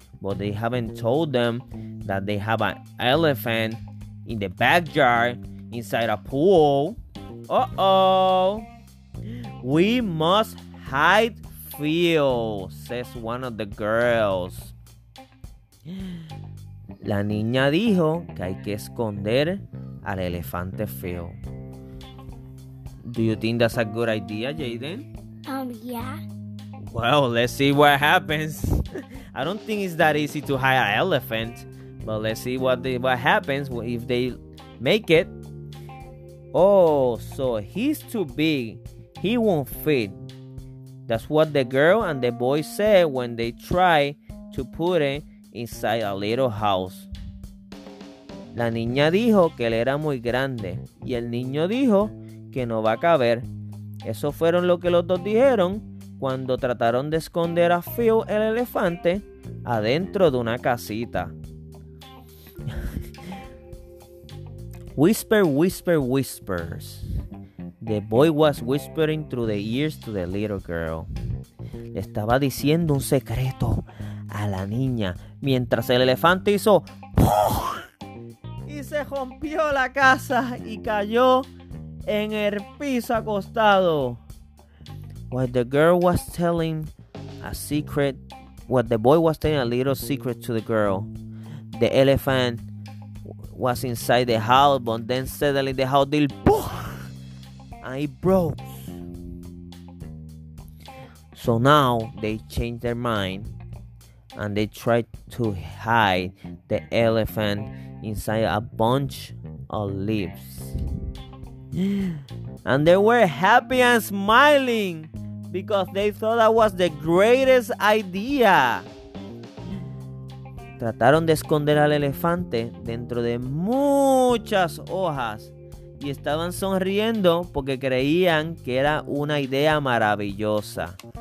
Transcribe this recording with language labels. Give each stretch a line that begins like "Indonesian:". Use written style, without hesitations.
English: But they haven't told them that they have an elephant in the backyard inside a pool. Uh-oh. "We must hide Phil," says one of the girls.
Spanish: La niña dijo que hay que esconder al elefante Phil.
English: Do you think that's a good idea, Jaden? Yeah. Well, let's see what happens. I don't think it's that easy to hide an elephant. But let's see what happens if they make it. Oh, so he's too big. He won't fit. That's what the girl and the boy said when they try to put it inside a little house.
Spanish: La niña dijo que él era muy grande y el niño dijo que no va a caber. Eso fueron lo que los dos dijeron cuando trataron de esconder a Phil el elefante adentro de una casita.
English: Whisper, whisper, whispers. The boy was whispering through the ears to the little girl.
Spanish: Le estaba diciendo un secreto a la niña mientras el elefante hizo ¡pum! Y se rompió la casa y cayó en el piso acostado.
English: While the girl was telling a secret, while the boy was telling a little secret to the girl, the elephant was inside the house, but then suddenly the house did ¡pum! And it broke. So now they changed their mind and they tried to hide the elephant inside a bunch of leaves. And they were happy and smiling because they thought that was the greatest idea.
Spanish: Trataron de esconder al elefante dentro de muchas hojas y estaban sonriendo porque creían que era una idea maravillosa.